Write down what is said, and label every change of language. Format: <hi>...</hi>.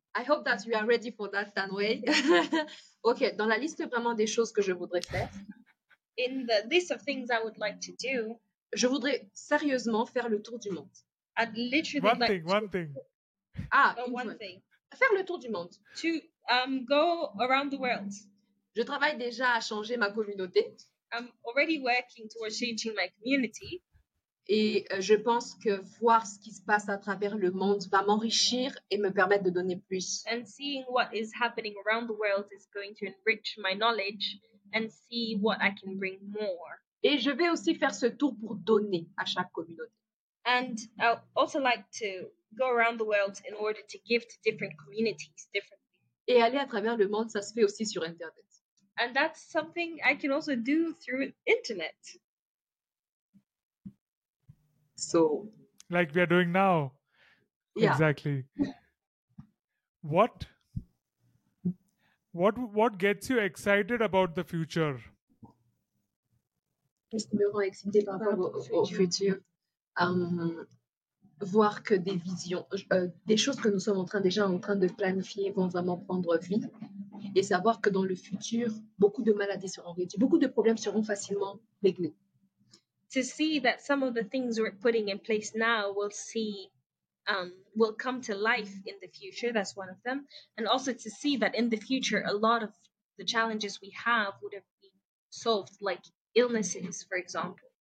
<en>I hope that you are ready for that, Tanwei.</en> <fr>Okay, dans la liste vraiment des choses que je voudrais faire.</fr> <en>In the list of things I would like to do.</en> <fr>Je voudrais sérieusement faire le tour du monde.</fr> <en>I'd literally one like thing, to... one thing. Ah, one thing.</en> <fr>Faire le tour du monde.</fr> <en>To go around the world.</en> <fr>Je travaille déjà à changer ma communauté.</fr> <en>I'm already working towards changing my community.</en> <fr>Et je pense que voir ce qui se passe à travers le monde va m'enrichir et me permettre de donner plus.</fr> <en>And seeing what is happening around the world is going to enrich my knowledge and see what I can bring more.</en> <fr>Et je vais aussi faire ce tour pour donner à chaque communauté.</fr> <en>And I also like to go around the world in order to give to different communities differently.</en> <fr>Et aller à travers le monde, ça se fait aussi sur Internet.</fr> <en>And that's something I can also do through Internet. So, like we are doing now. Yeah. Exactly. What gets you excited about the future?</en> <fr>Qu'est-ce qui me rend excitée par rapport au futur? Voir que des visions, des choses que nous sommes en train de planifier vont vraiment prendre vie, et savoir que dans le futur, beaucoup de maladies seront réduites, beaucoup de problèmes seront facilement réglés.</fr> <en>To see that some of the things we're putting in place now will see, will come to life in the future. That's one of them. And also to see that in the future, a lot of the challenges we have would have been solved, like illnesses, for example.</en>